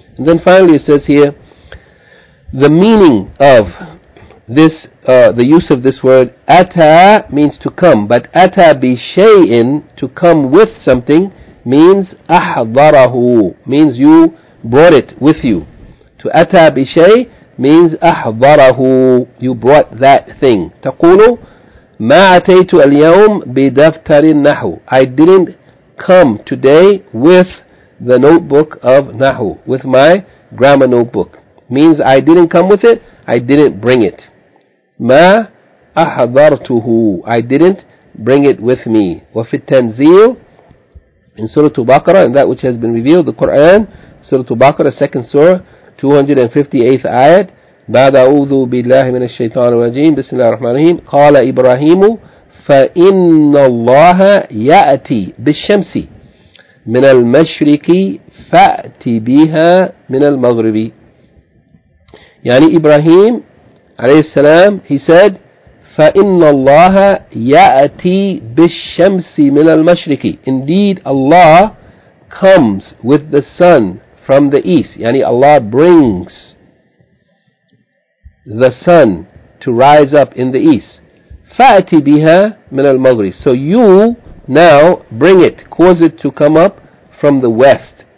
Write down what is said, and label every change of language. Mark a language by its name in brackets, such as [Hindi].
[English] And then finally it says here, the meaning of this, the use of this word, ata means to come. But ata bi shay'in, to come with something, means ahdarahu, means you brought it with you. To ata bi shay means ahdarahu, you brought that thing. [Arabic] Taqulu, ما أتيت اليوم بدفتر النحو. [English] I didn't come today with the notebook of Nahu, with my grammar notebook. Means I didn't come with it, I didn't bring it. [Arabic] ما أحضرته. [English] I didn't bring it with me. [Arabic] وفي التنزيل, [English] in Surah Al-Baqarah, and that which has been revealed, the Quran, Surah Al-Baqarah, second Surah, 258th ayat, [Arabic] بعد أعوذ بالله من الشيطان الرجيم بسم الله الرحمن الرحيم قال إبراهيم فإن الله يأتي بالشمس من المشرق فأتي بها من المغرب. يعني إبراهيم عليه السلام, [English] he said [Arabic] فإن الله يأتي بالشمس من المشرق. [English] Indeed Allah comes with the sun from the east. يعني Allah brings the sun to rise up in the east. [Arabic] فَأَتِ بِهَا مِنَ الْمَغْرِبِ. [English] So you now bring it, cause it to come up from the west.